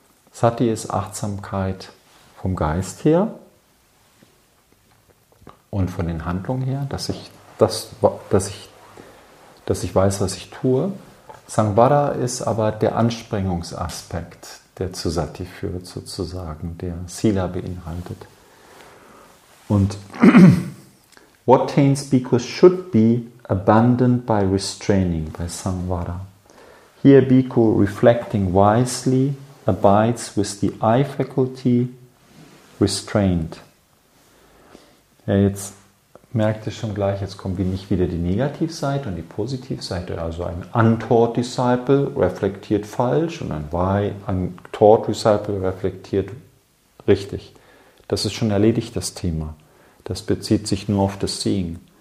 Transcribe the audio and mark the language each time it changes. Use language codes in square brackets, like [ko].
[de] Sati ist Achtsamkeit vom Geist her und von den Handlungen her, dass ich weiß, was ich tue. Sangvara ist aber der Anstrengungsaspekt, der zu Sati führt sozusagen, der Sila beinhaltet. [en] Und what taints bhikkhus should be abandoned by restraining, by Sangvara. Here bhikkhu reflecting wisely abides with the eye faculty restrained. [de] Ja, jetzt merkt ihr schon gleich, jetzt kommt nicht wieder die Negativseite und die Positivseite. Also ein [en] untaught disciple [de] reflektiert falsch und ein [en] taught disciple [de] reflektiert richtig. Das ist schon erledigt, das Thema. Das bezieht sich nur auf das Seeing.